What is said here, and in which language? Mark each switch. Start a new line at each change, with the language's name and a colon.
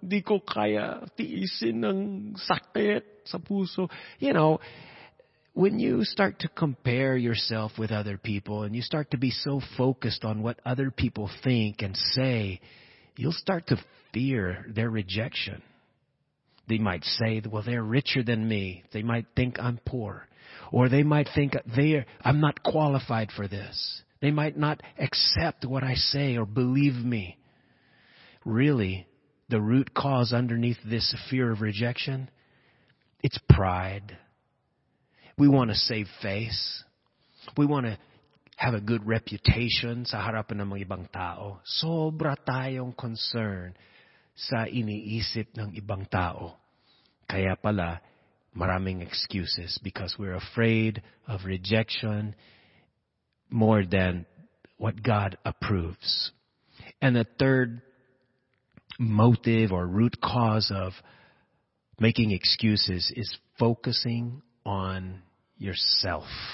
Filipino: Di ko kaya tiisin ng sakit sa puso.
English: You know, when you start to compare yourself with other people and you start to be so focused on what other people think and say, you'll start to fear their rejection. They might say, well, they're richer than me. They might think I'm poor. Or they might think I'm not qualified for this. They might not accept what I say or believe me. Really, the root cause underneath this fear of rejection, it's pride. We want to save face. We want to have a good reputation
Filipino: sa harapan ng mga ibang tao. Sobra tayong concern sa iniisip ng ibang tao. Kaya pala, maraming
English: excuses because we're afraid of rejection more than what God approves. And the third motive or root cause of making excuses is focusing on yourself.